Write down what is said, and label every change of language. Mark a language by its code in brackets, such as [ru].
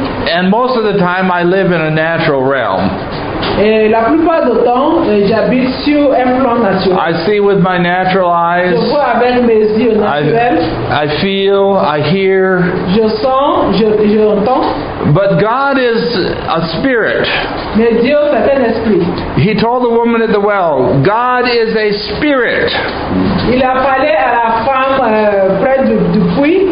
[en] And most of the time, I live in a natural realm. [fr] Et la plupart du temps, j'habite sur un plan naturel. [en] I see with my natural eyes. [fr] Je vois avec mes yeux naturels. [en] I feel, I hear. [fr] Je sens, je entends. [en] But God is a spirit. [fr] Mais Dieu, c'est un esprit. [en] He told the woman at the well, God is a spirit. [fr] Il a parlé à la femme près du puits.